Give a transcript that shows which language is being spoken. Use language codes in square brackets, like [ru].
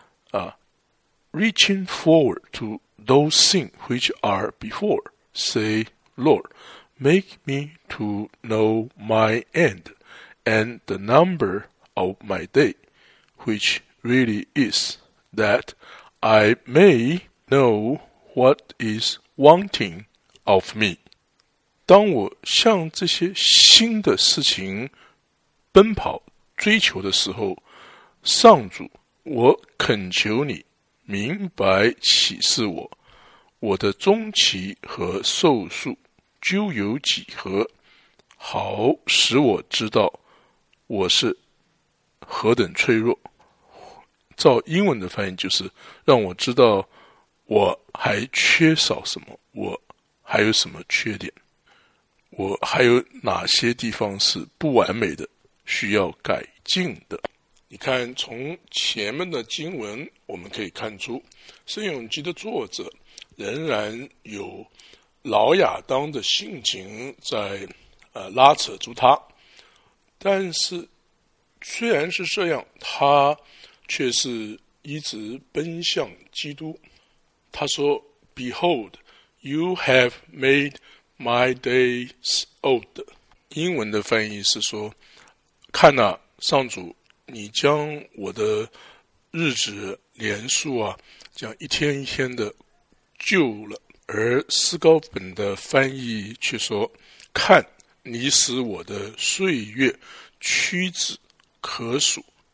[en] 啊， reaching forward to those things which are before, say, Lord, make me to know my end and the number of my day, which really is, that I may know what is wanting of me. [zh] 当我向这些新的事情奔跑追求的时候，上主，我恳求你明白启示我，我的终期和寿数究有几何，好使我知道我是何等脆弱。照英文的翻译就是，让我知道我还缺少什么，我还有什么缺点，我还有哪些地方是不完美的，需要改进的。你看，从前面的经文我们可以看出，圣咏集的作者仍然有老亚当的性情在拉扯住他，但是虽然是这样，他却是一直奔向基督。他说 [en] Behold, you have made my days old. [zh] 英文的翻译是说，看啊，上主，你将我的日子年数啊，将一天一天的旧了。而斯高本的翻译却说，看，你使我的岁月屈指可数。